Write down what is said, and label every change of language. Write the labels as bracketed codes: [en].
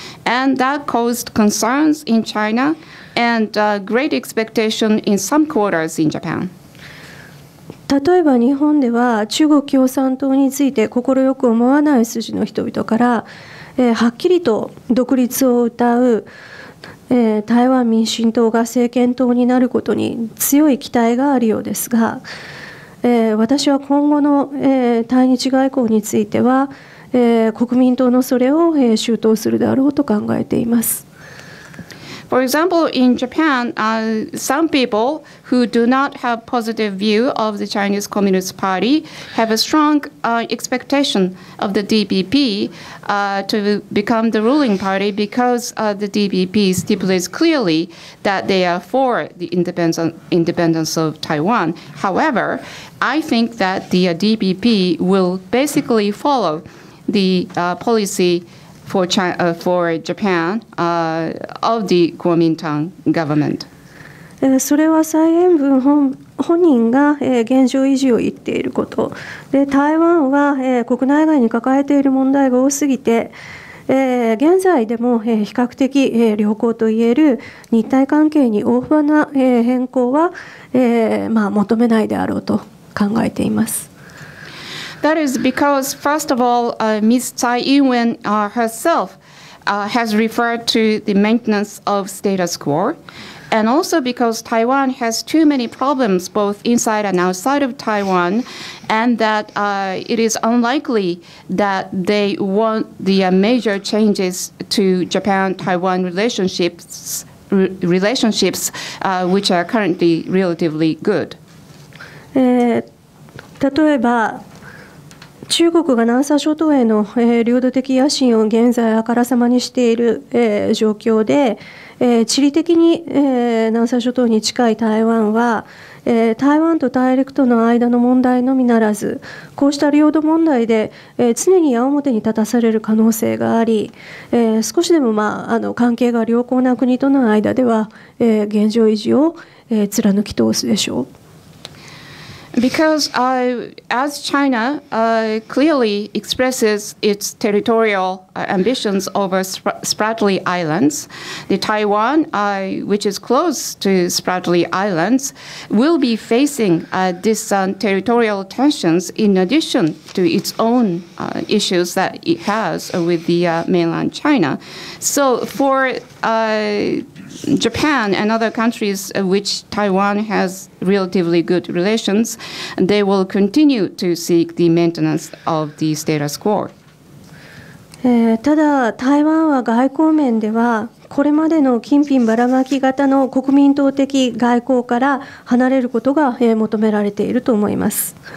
[en] And that caused concerns in China and great expectation in some quarters in Japan. [ja] 例えば日本では中国共産党について心よく思わない筋の人々から、はっきりと独立を歌う台湾民進党が政権党になることに強い期待があるようですが、私は今後の対日外交については、国民党のそれを周到するだろうと考えています。 [en] For example, in Japan, some people who do not have positive view of the Chinese Communist Party have a strong expectation of the DPP to become the ruling party because the DPP stipulates clearly that they are for the independence of Taiwan. However, I think that the DPP will basically follow the policy for Japan of the Kuomintang government. [ja] それは蔡英文本人が現状維持を言っていることで、台湾は国内外に抱えている問題が多すぎて、現在でも比較的良好といえる日台関係に大幅な変更は求めないであろうと考えています。 [en] That is because, first of all, Ms. Tsai Ing-wen herself has referred to the maintenance of status quo, and also because Taiwan has too many problems both inside and outside of Taiwan, and that it is unlikely that they want the major changes to Japan-Taiwan relationships which are currently relatively good. [ja] 例えば中国が南沙諸島への領土的野心を現在あからさまにしている状況で、地理的に南沙諸島に近い台湾は、台湾と大陸との間の問題のみならず、こうした領土問題で常に矢面に立たされる可能性があり、少しでも関係が良好な国との間では現状維持を貫き通すでしょう。 [en] Because as China clearly expresses its territorial ambitions over Spratly Islands, the Taiwan, which is close to Spratly Islands, will be facing this territorial tensions in addition to its own issues that it has with the mainland China. So for Japan and other countries which Taiwan has relatively good relations, they will continue to seek the maintenance of the status quo. [ja] ただ台湾は外交面ではこれまでの金品ばらまき型の国民党的外交から離れることが求められていると思います。